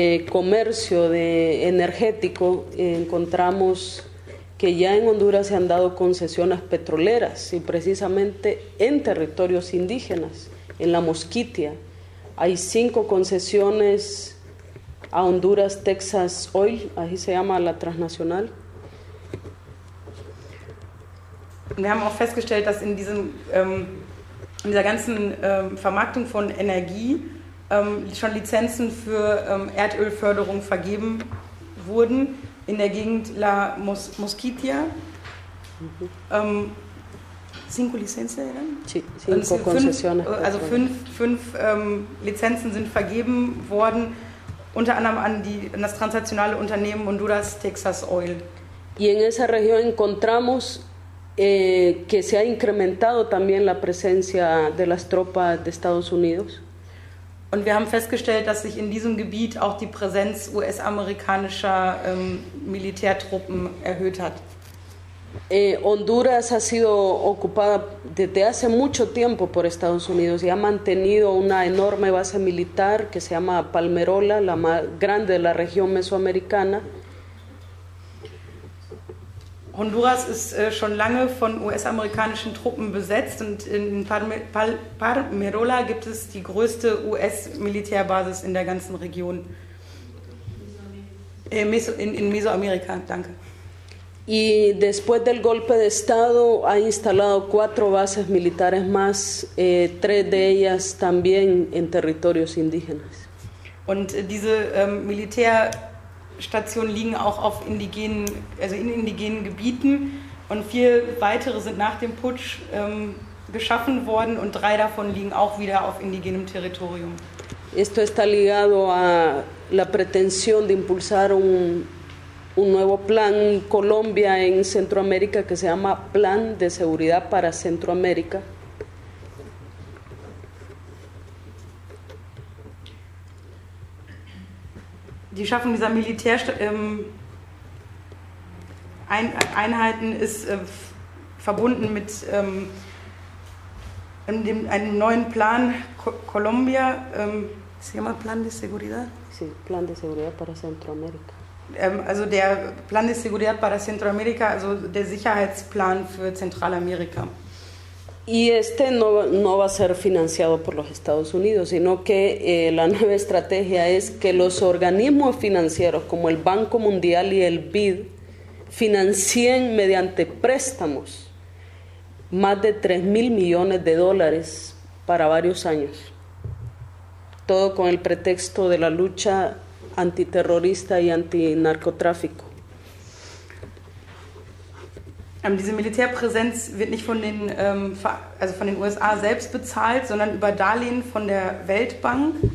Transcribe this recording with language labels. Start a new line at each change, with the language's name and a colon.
Spanish: comercio de energético, encontramos que ya en Honduras se han dado concesiones petroleras, y precisamente en territorios indígenas, en la Mosquitia. Hay 5 concesiones a Honduras Texas Oil, así se llama la transnacional.
German: Wir haben auch festgestellt, dass in diesem in dieser ganzen Vermarktung von Energie schon Lizenzen für Erdölförderung vergeben wurden in der Gegend La Mosquitia.
Spanish: Mm-hmm. Cinco licencias eran? Sí, cinco concesiones.
German: Also fünf Lizenzen sind vergeben worden, unter anderem an das transnationale Unternehmen Honduras Texas Oil.
Spanish: Y en esa región encontramos que se ha incrementado también la presencia de las tropas de Estados Unidos.
German: Und wir haben festgestellt, dass sich in diesem Gebiet auch die Präsenz US-amerikanischer Militärtruppen erhöht hat.
Spanish: Honduras ha sido ocupada desde hace mucho tiempo por Estados Unidos y ha mantenido una enorme base militar que se llama Palmerola, la más grande de la región mesoamericana.
German: Honduras ist schon lange von US-amerikanischen Truppen besetzt und in Palmerola gibt es die größte US-Militärbasis in der ganzen Region. In Mesoamerika, danke.
Spanish: Y después del golpe de Estado ha instalado 4 bases militares más, 3 de ellas también en territorios indígenas.
German: Und diese Militär Stationen liegen auch auf indigenen, also in indigenen Gebieten, und 4 weitere sind nach dem Putsch geschaffen worden und 3 davon liegen auch wieder auf indigenem Territorium.
Spanish: Esto está ligado a la pretensión de impulsar un nuevo plan Colombia en Centroamérica que se llama Plan de Seguridad para Centroamérica.
German: Die Schaffung dieser Einheiten ist verbunden mit einem neuen Plan Colombia.
Spanish: Se llama Plan de Seguridad? Sí, Plan de Seguridad para Centroamérica.
German: Also der Plan de Seguridad para Centroamérica, also der Sicherheitsplan für Zentralamerika.
Spanish: Y este no va a ser financiado por los Estados Unidos, sino que la nueva estrategia es que los organismos financieros como el Banco Mundial y el BID financien mediante préstamos más de 3,000 millones de dólares para varios años. Todo con el pretexto de la lucha antiterrorista y antinarcotráfico.
German: Diese Militärpräsenz wird nicht von den, also von den USA selbst bezahlt, sondern über Darlehen von der Weltbank.